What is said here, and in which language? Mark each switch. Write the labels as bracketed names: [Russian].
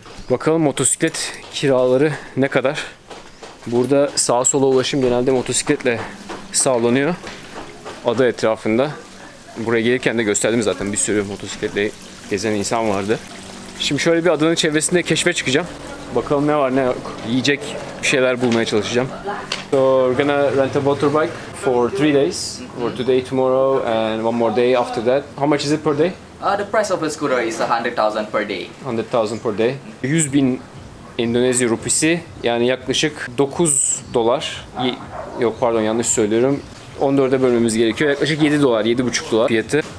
[Turkish] Bakalım motosiklet kiraları ne kadar? Burada sağa sola ulaşım genelde motosikletle sağlanıyor. Ada etrafında. Buraya gelirken de gösterdim zaten, bir sürü motosikletle gezen insan vardı. Şimdi şöyle bir adanın çevresinde keşfe çıkacağım. Bakalım ne var ne yok. Yiyecek bir şeyler bulmaya çalışacağım. [English] So we're gonna rent a motorbike for 3 days. For today, tomorrow and one more day after that. How much is it per day? The price of a scooter is 100,000 per day. 100,000 per day. [Turkish] 100,000 Endonezya rupisi, yani yaklaşık 9 dolar. Yok pardon, yanlış söylüyorum. 14'e bölmemiz gerekiyor. Yaklaşık 7 dolar, 7,5 dolar fiyatı.